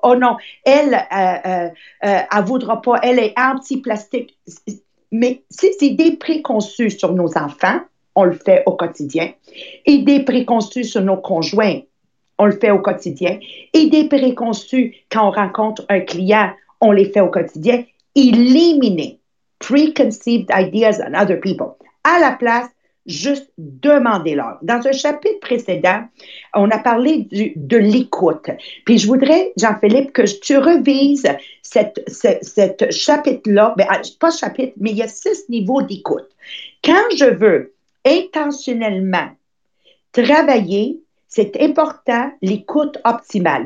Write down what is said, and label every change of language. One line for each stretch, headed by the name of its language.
French: Oh non, elle voudra pas, elle est anti-plastique. Mais ces idées préconçues sur nos enfants, on le fait au quotidien. Idées préconçues sur nos conjoints, on le fait au quotidien. Idées préconçues quand on rencontre un client, on les fait au quotidien. Éliminer
English: preconceived ideas on other people.
French: À la place, juste demandez-leur. Dans un chapitre précédent, on a parlé de l'écoute. Puis je voudrais, Jean-Philippe, que tu revises cette chapitre-là. Mais, pas chapitre, mais il y a 6 niveaux d'écoute. Quand je veux intentionnellement travailler, c'est important l'écoute optimale.